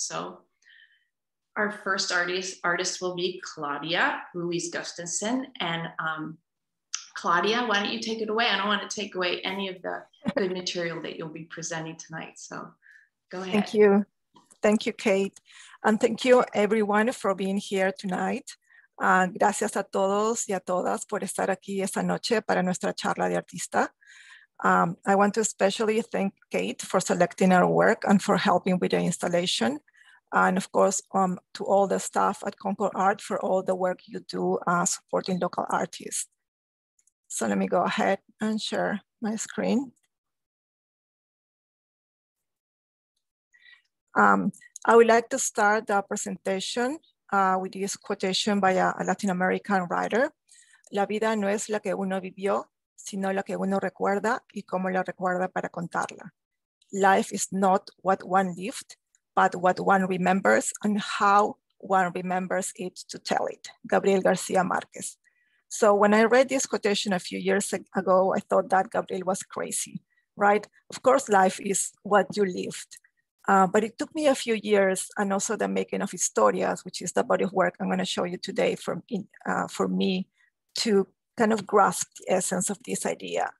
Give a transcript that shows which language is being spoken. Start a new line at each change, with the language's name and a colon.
English: So our first artist will be Claudia Ruiz Gustafson. And Claudia, why don't you take it away? I don't want to take away any of the good material that you'll be presenting tonight. So go ahead. Thank you. Thank you, Kate. And thank you everyone for being here tonight.
Spanish: Gracias a todos y a todas por estar aquí esta noche para nuestra charla de artista.
English: I want to especially thank Kate for selecting our work and for helping with the installation. And of course, to all the staff at Concord Art for all the work you do supporting local artists. So let me go ahead and share my screen. I would like to start the presentation with this quotation by a Latin American writer.
Spanish: La vida no es la que uno vivió, sino la que uno recuerda y cómo la recuerda para contarla.
English: Life is not what one lived, but what one remembers and how one remembers it to tell it. Gabriel García Márquez. So when I read this quotation a few years ago, I thought that Gabriel was crazy, right? Of course, life is what you lived. But it took me a few years and also the making of historias, which is the body of work I'm going to show you today for me to kind of grasp the essence of this idea.